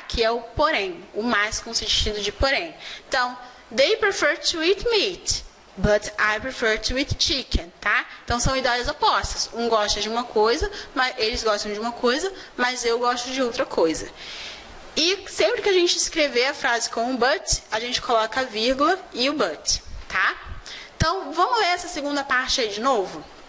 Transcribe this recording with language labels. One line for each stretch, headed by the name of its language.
Portuguese: Que é o porém, o mais com sentido de porém.
English: Então, they prefer to eat meat, but I prefer to eat chicken, tá?
Portuguese: Então, são ideias opostas. Um gosta de uma coisa, mas eles gostam de uma coisa, mas eu gosto de outra coisa. E sempre que a gente escrever a frase com o but, a gente coloca a vírgula e o but, tá? Então, vamos ler essa segunda parte aí de novo?